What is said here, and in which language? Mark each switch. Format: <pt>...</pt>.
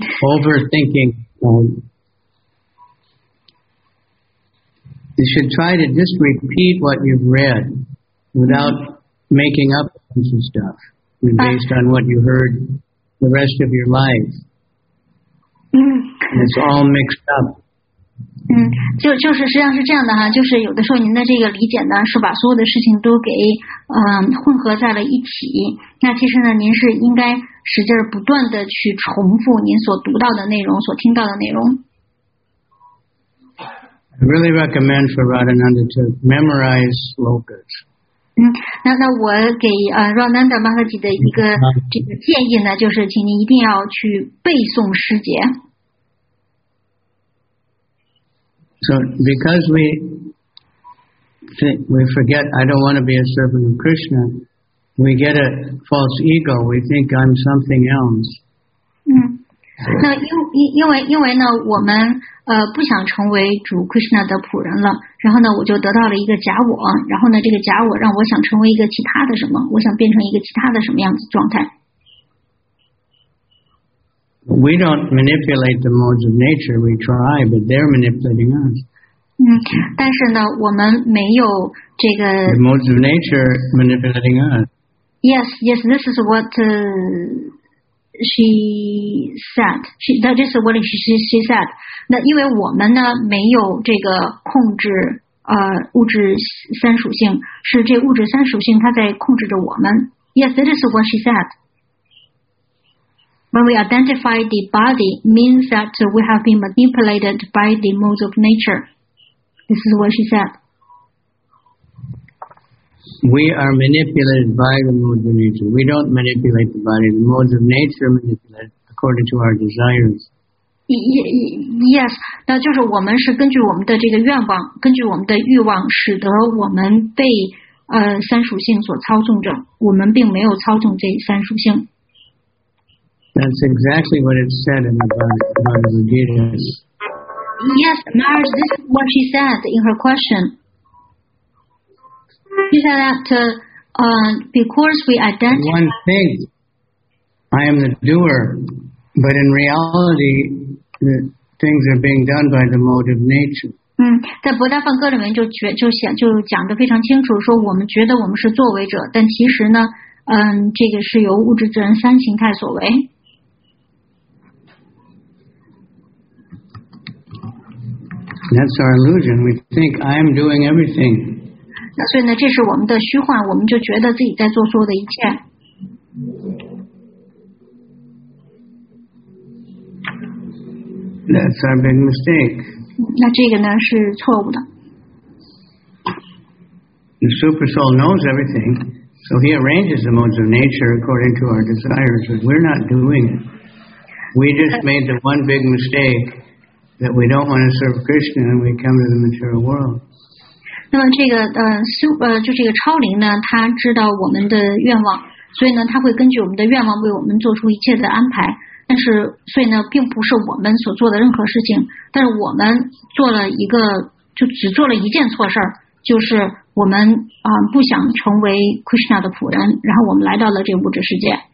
<en>Overthinking. You should try to just repeat what you've read without making up things and stuff, based on what you heard the rest of your life. And it's all mixed up.</en> <zh>就是实际上是这样的哈，就是有的时候您的这个理解呢是把所有的事情都给混合在了一起，那其实呢您是应该使劲不断的去重复您所读到的内容，所听到的内容。</zh> <en>I really recommend for Radhananda to memorize slogans.</en> <zh>那我给Radhananda Mataji 的一个这个建议呢，就是请您一定要去背诵诗节。</zh> <en>So because we think, we forget, I don't want to be a servant of Krishna, we get a false ego, we think I'm something else.</en> <zh>那因为呢我们不想成为主 Krishna 的仆人了，然后呢我就得到了一个假我，然后呢这个假我让我想成为一个其他的什么，我想变成一个其他的什么样子状态。</zh> <en>We don't manipulate the modes of nature. We try, but they're manipulating us.</en> <zh>但是呢，我们没有这个。</zh> <en>The modes of nature manipulating us. Yes. This is what she said. She said.</en> <zh>那因为我们呢，没有这个控制物质三属性，是这物质三属性它在控制着我们。</zh> <en>Yes, that is what she said. When we identify the body, means that we have been manipulated by the modes of nature. This is what she said. We are manipulated by the modes of nature. We don't manipulate the body. The modes of nature manipulate according to our desires.</en> <zh>Yes, 那就是我们是根据我们的这个愿望，根据我们的欲望，使得我们被三属性所操纵着。我们并没有操纵这三属性。</zh> <en>That's exactly what it said in the Bhagavad Gita. Yes, Maharaj, this is what she said in her question. She said that because we identify... One thing, I am the doer, but in reality, the things are being done by the mode of nature.</en> <zh>在博大梵歌里面就讲得非常清楚，说我们觉得我们是作为者，但其实呢，这个是由物质自然三形态所为。</zh> <en>That's our illusion. We think I am doing everything.</en> <zh>那所以呢，这是我们的虚幻，我们就觉得自己在做所有的一切。</zh> <en>That's our big mistake.</en> <zh>那这个呢是错误的。</zh> <en>The super soul knows everything, so he arranges the modes of nature according to our desires, but we're not doing it. We just made the one big mistake. That we don't want to serve Krishna and we come to the material world.</en> <zh>那么这个就这个超灵呢，他知道我们的愿望，所以呢，他会根据我们的愿望为我们做出一切的安排。但是，所以呢，并不是我们所做的任何事情，但是我们做了一个，就只做了一件错事儿，就是我们不想成为 Krishna 的仆人，然后我们来到了这个物质世界。</zh>